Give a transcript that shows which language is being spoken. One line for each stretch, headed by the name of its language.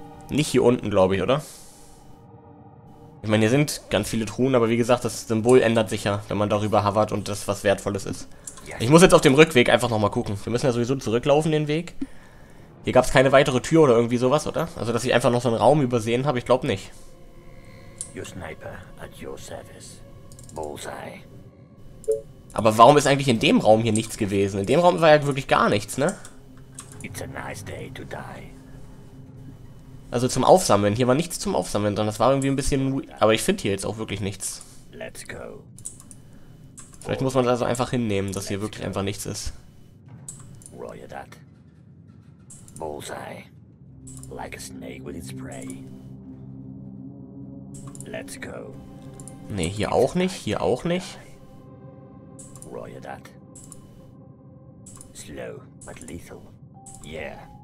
German: Nicht hier unten, glaube ich, oder? Ich meine, hier sind ganz viele Truhen, aber wie gesagt, das Symbol ändert sich ja, wenn man darüber hovert und das was Wertvolles ist. Ich muss jetzt auf dem Rückweg einfach nochmal gucken. Wir müssen ja sowieso zurücklaufen, den Weg. Hier gab es keine weitere Tür oder irgendwie sowas, oder? Also, dass ich einfach noch so einen Raum übersehen habe, ich glaube nicht.
English: Your sniper at your service. Bullseye.
German: Aber warum ist eigentlich in dem Raum hier nichts gewesen? In dem Raum war ja wirklich gar nichts, ne?
English: It's a nice day to die.
German: Also zum Aufsammeln. Hier war nichts zum Aufsammeln, sondern das war irgendwie ein bisschen... Aber ich finde hier jetzt auch wirklich nichts.
English: Let's go.
German: Vielleicht muss man das also einfach hinnehmen, dass hier wirklich einfach nichts ist.
English: Roya dat. Bullseye. Like a snake with its prey. Let's go.
German: Nee, hier auch nicht, hier auch nicht.
English: Roya dat. Slow, but lethal. Yeah.